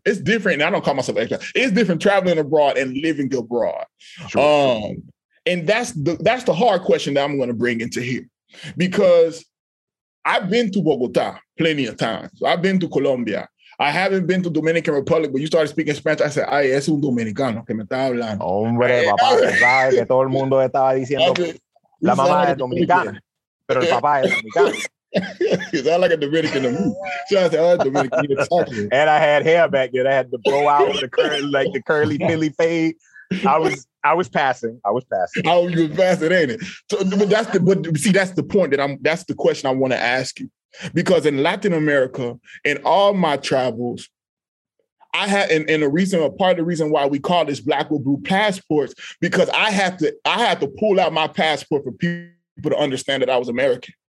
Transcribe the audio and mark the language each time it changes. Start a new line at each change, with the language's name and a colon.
English: It's different. And I don't call myself an expat. It's different traveling abroad and living abroad. Sure. And that's the hard question that I'm going to bring into here, because I've been to Bogota plenty of times. I've been to Colombia. I haven't been to Dominican Republic, but you started speaking Spanish.
Spanish: I said, ay, es un dominicano que me está hablando. Hombre, papá, sabes que todo el mundo estaba diciendo, la mamá es dominicana, pero el papá es dominicano.
English: You sound like a Dominican to me. So I said, oh, Dominican, you're talking. And I had hair back then. I had the blow out, the curly Philly fade. I was passing. Oh, you were passing, ain't it? That's the question I want to ask you. Because in Latin America, in all my travels, I had, part of the reason why we call this Black with Blue passports, because I have to pull out my passport for people to understand that I was American.